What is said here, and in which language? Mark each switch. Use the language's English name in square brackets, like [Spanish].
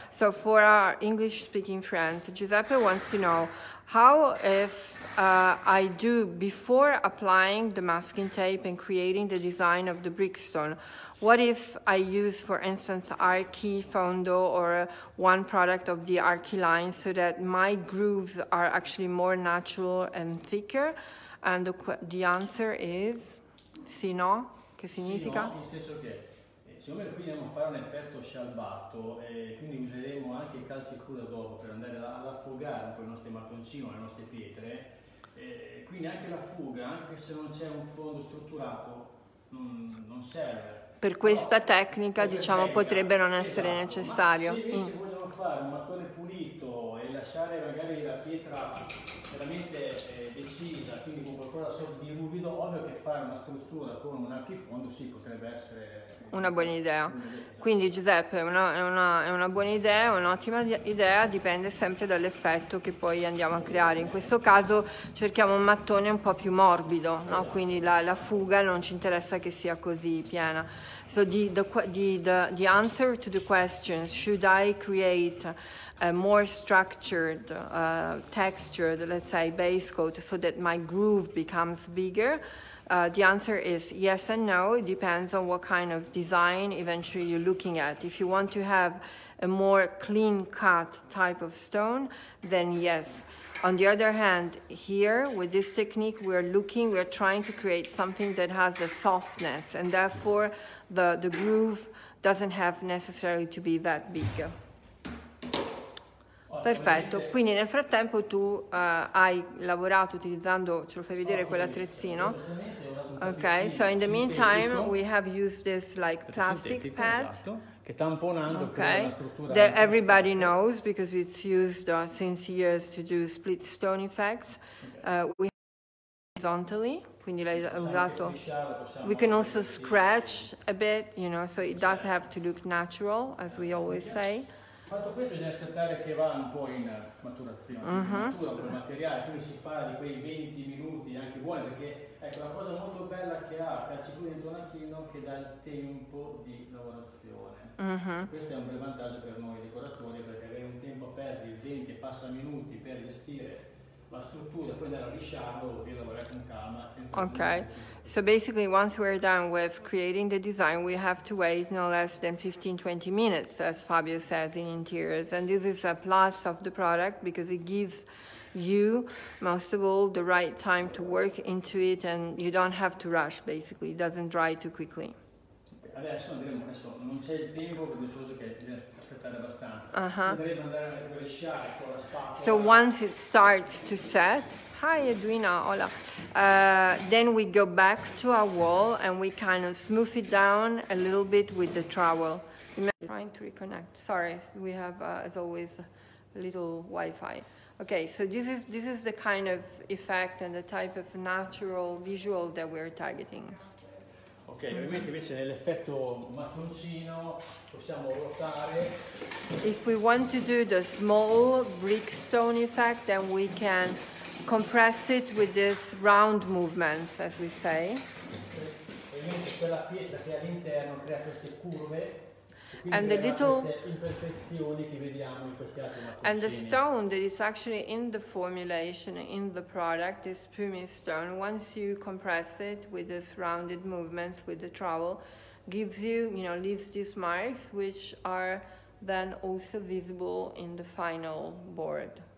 [English] So for our English speaking friends, Giuseppe wants to know how if I do before applying the masking tape and creating the design of the brickstone, what if I use for instance Archi Fondo or one product of the Archi line so that my grooves are actually more natural and thicker? And the answer is [Italian] sì no, che significa? Sì, no, in senso che siccome qui dobbiamo fare un effetto scialbato e quindi useremo anche il calce crudo dopo per andare ad affogare un po' i nostri mattoncini o le nostre pietre, quindi anche la fuga, anche se non c'è un fondo strutturato, non serve. Per questa tecnica, potrebbe non essere necessario. Ma se invece vogliamo fare un mattone pulito e lasciare magari la pietra veramente decisa, quindi con qualcosa sotto di ruvido, ovvio che fare una struttura con un archifondo sì, potrebbe essere una buona idea. Quindi Giuseppe, è una buona idea, un'ottima idea, dipende sempre dall'effetto che poi andiamo a creare. In questo caso cerchiamo un mattone un po' più morbido, no? Quindi la fuga non ci interessa che sia così piena. [English] So the answer to the question, should I create a more structured, textured, let's say, base coat so that my groove becomes bigger? The answer is yes and no. It depends on what kind of design eventually you're looking at. If you want to have a more clean cut type of stone, then yes. On the other hand, here with this technique, we're trying to create something that has a softness and therefore the groove doesn't have necessarily to be that big. [Italian] Perfetto, quindi nel frattempo tu hai lavorato utilizzando, ce lo fai vedere quell'attrezzino? [English] Ok, so in the meantime we have used this like plastic pad. [Italian] Esatto. Che tamponando [English] okay. [Italian] La struttura. [English] That everybody knows because it's used since years to do split stone effects. We have horizontally, [Italian] quindi l'hai usato. [English] We can also scratch a bit, you know, so it does have to look natural, as we always say. [Italian] Fatto questo bisogna aspettare che va un po' in maturazione, in cottura per materiale, quindi si parla di quei 20 minuti anche buoni, perché ecco la cosa molto bella che ha calcicuro dentro un archino che dà il tempo di lavorazione. Questo è un bel vantaggio per noi decoratori, perché avere un tempo perdi 20 passa minuti per gestire la struttura, poi andare a lisciarlo, devi lavorare con calma. [English] Ok, so basically once we're done with creating the design, we have to wait no less than 15-20 minutes, as Fabio says, in interiors. And this is a plus of the product because it gives you, most of all, the right time to work into it and you don't have to rush, basically. It doesn't dry too quickly. [Italian] Adesso andremo, non c'è il tempo, perché so che bisogna aspettare abbastanza. Andremo andare a lisciare con la spatola. [English] So once it starts to set, hi Edwina, hola. Then we go back to our wall and we kind of smooth it down a little bit with the trowel. I'm trying to reconnect. Sorry, we have as always a little Wi-Fi. Okay, so this is the kind of effect and the type of natural visual that we're targeting. [Italian] Okay, ovviamente invece nell'effetto mattoncino possiamo ruotare. [English] If we want to do the small brickstone effect, then we can compress it with this round movements, as we say. [Italian] Ovviamente quella pietra che all'interno crea queste curve. [English] And the little [Italian] imperfezioni che vediamo in questi altri mattoncini. [English] And the stone that is actually in the formulation, in the product, this pumice stone, once you compress it with this rounded movements with the trowel, gives you, you know, leaves these marks which are then also visible in the final board.